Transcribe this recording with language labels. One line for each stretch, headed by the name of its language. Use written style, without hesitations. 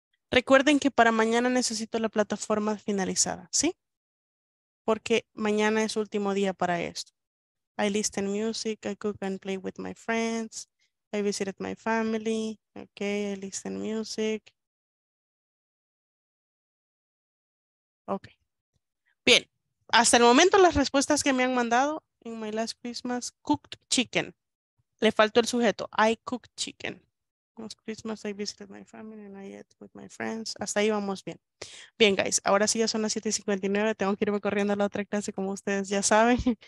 Spanish: Recuerden que para mañana necesito la plataforma finalizada, ¿sí? Porque mañana es último día para esto.
English: I listen music, I cook and play with my friends, I visited my family, okay, I listen music. Okay.
Spanish: Bien, hasta el momento las respuestas que me han mandado,
English: in my last Christmas, cooked chicken.
Spanish: Le faltó el sujeto,
English: I cooked chicken. Last Christmas I visited my family and I ate with my friends.
Spanish: Hasta ahí vamos bien. Bien, guys, ahora sí ya son las 7:59. Tengo que irme corriendo a la otra clase, como ustedes ya saben.